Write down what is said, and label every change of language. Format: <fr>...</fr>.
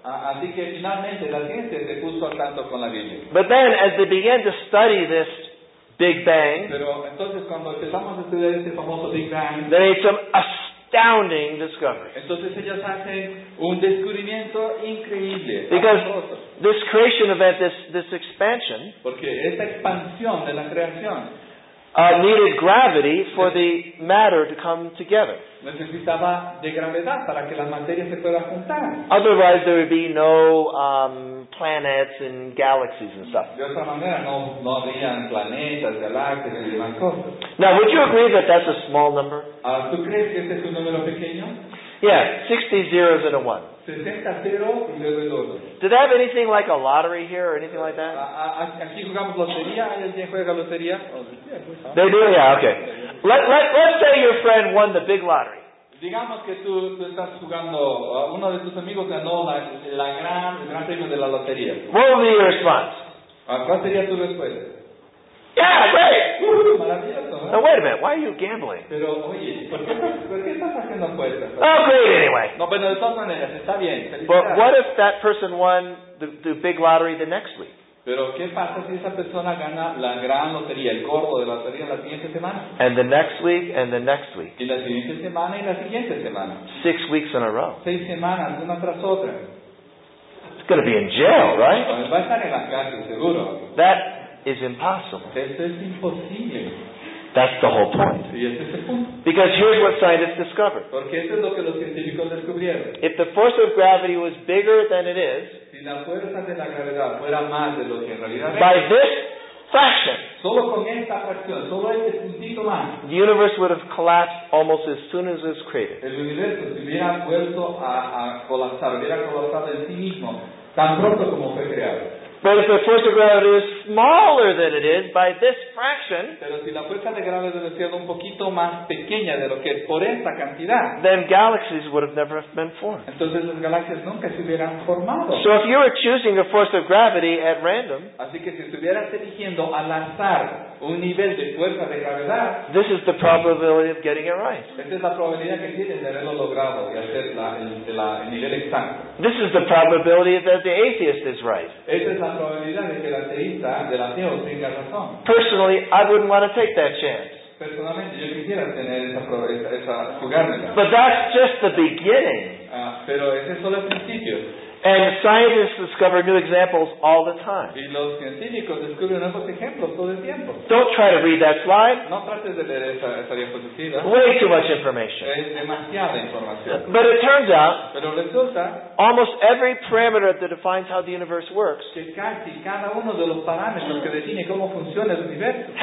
<es>Así que finalmente la ciencia se puso al tanto con la Biblia.</es> <en>But then as they began to study this Big Bang.</en> <es>Pero entonces cuando empezamos a estudiar este famoso Big Bang,</es> <en>they made some astounding discoveries.</en> <es>Entonces ellas hacen un descubrimiento increíble.</es> <en>Because this creation event, this expansion,</en> <es>porque esta expansión de la creación,</es> <en>needed gravity for the matter to come together.</en> <es>Necesitaba de gravedad para que la materia se pueda juntar.</es> <en>Otherwise, there would be no planets and galaxies and stuff.</en> <es>De otra manera, no habrían planetas, galaxias y demás cosas.</es> <en>Now, would you agree that that's a small number?</en> <es>¿Tú crees que este es un número pequeño?</es> <en>Yeah, 60 zeros and a 1.</en> <es>60 ceros y luego el 1.</es> <en>Do they have anything like a lottery here or anything like that?</en> <es>Aquí jugamos lotería. ¿Alguien juega lotería?</es> <en>They do? Yeah, okay. Let's say your friend won the big lottery.</en> <es>Digamos que tú estás jugando, uno de tus amigos ganó el gran premio de la lotería.</es> <en>What would be your response?</en> <es>¿Cuál sería tu respuesta?</es> <en>Yeah, great!</en> <es>Maravilloso,</es> <en>Now, wait a minute, why are you gambling?</en> <es>Pero, oye, ¿por qué estás haciendo apuestas?</es> <en>Oh, great, anyway.</en> <es>No, pero de todas maneras, está bien.</es> <en>But what if that person won the big lottery the next week?</en> <es>Pero, Pero ¿qué pasa si esa persona gana la gran lotería, el gordo de la lotería la siguiente semana?</es> <en>And the next week and the next week.</en> <es>Y la siguiente semana y la siguiente semana.</es> <en>6 weeks in a row.</en> <es>6 semanas, una tras otra.</es> <en>It's going to be in jail, right?</en> <es>Va a estar en la cárcel, seguro.</es> <en>That is impossible.</en> <es>Eso es imposible.</es> <en>That's the whole point. Because here's what scientists discovered.</en> <es>Porque esto es lo que los científicos descubrieron.</es> <en>If the force of gravity was bigger than it is,</en> <es>si la fuerza de la gravedad fuera más de lo que en realidad es,</es> <en>by this fraction,</en> <es>solo con esta fracción, solo este puntito más,</es> <en>the universe would have collapsed almost as soon as it was created.</en> <es>El universo se hubiera vuelto a colapsar, hubiera colapsado en sí mismo, tan pronto como fue creado.</es> <en>But if the force of gravity is smaller than it is by this fraction,</en> <es>pero si la fuerza de gravedad es un poquito más pequeña de lo que es por esta cantidad,</es> <en>then galaxies would have never been formed.</en> <es>Entonces las galaxias nunca se hubieran formado.</es> <en>So if you were choosing a force of gravity at random,</en> <es>así que si estuvieras eligiendo al azar un nivel de fuerza de gravedad,</es> <en>this is the probability of getting it right.</en> <es>Esta es la probabilidad que tienes de haberlo logrado y hacer el nivel exacto.</es> <en>This is the probability that the atheist is right.</en> <es>La probabilidad de que el ateísta, del ateo, tenga razón.</es> <en>Personally, I wouldn't want to take that chance.</en> <es>Personalmente, yo quisiera tener esa jugármela.</es> <en>But that's just the beginning.</en> <es>Pero ese es solo el principio.</es> <en>And scientists discover new examples all the time.</en> <es>Y los científicos descubren nuevos ejemplos todo el tiempo.</es> <en>Don't try to read that slide.</en> <es>No trates de leer esa diapositiva.</es> <en>Way too much information.</en> <es>Es demasiada información.</es> <en>But it turns out,</en> <es>pero resulta,</es> <en>almost every parameter that defines how the universe works,</en> <es>que casi cada uno de los parámetros que define cómo funciona el universo,</es>